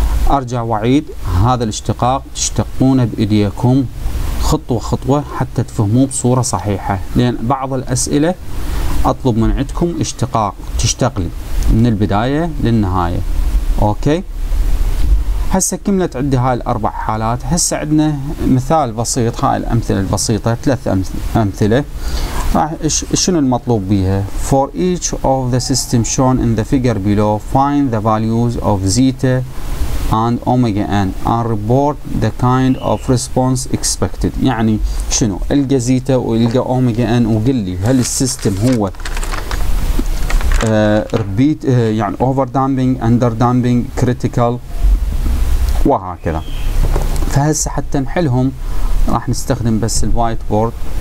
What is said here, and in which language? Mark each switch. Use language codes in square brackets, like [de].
[ar] أرجع وعيد هذا الاشتقاق تشتقونه بإيديكم خطوة خطوة حتى تفهموه بصورة صحيحة، لأن بعض الأسئلة أطلب من عندكم اشتقاق تشتقل من البداية للنهاية. أوكي، هسه كملت عندي هاي الأربع حالات. هسه عندنا مثال بسيط، هاي الأمثلة البسيطة، ثلاث أمثلة. شنو المطلوب بيها؟ [en] For each of the system shown in the figure below, find the values of zeta and omega n and report the kind of response expected. [ar] يعني شنو؟ ألقى زيتا وألقى أوميجا ان وقل لي هل السيستم هو ربيت يعني اوفر دامبينج اندر دامبينج كريتيكال وهكذا. فهسه حتى نحلهم راح نستخدم بس الوايت بورد.